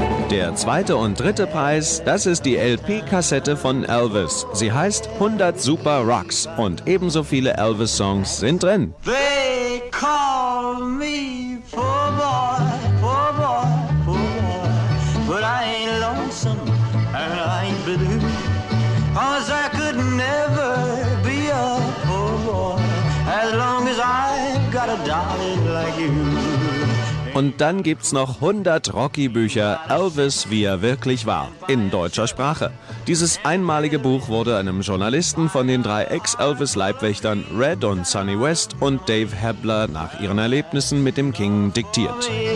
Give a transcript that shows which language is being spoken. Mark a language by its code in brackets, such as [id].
[de] Der zweite und dritte Preis, das ist die LP-Kassette von Elvis. Sie heißt 100 Super Rocks und ebenso viele Elvis-Songs sind drin. [en] They call me poor boy, poor boy, poor boy, but I ain't lonesome and I ain't blue, 'cause I could never be a poor boy as long as I've got a darling like you. [de] Und dann gibt's noch 100 Rocky-Bücher Elvis, wie er wirklich war, in deutscher Sprache. Dieses einmalige Buch wurde einem Journalisten von den drei Ex-Elvis-Leibwächtern Red und Sonny West und Dave Hebler nach ihren Erlebnissen mit dem King diktiert.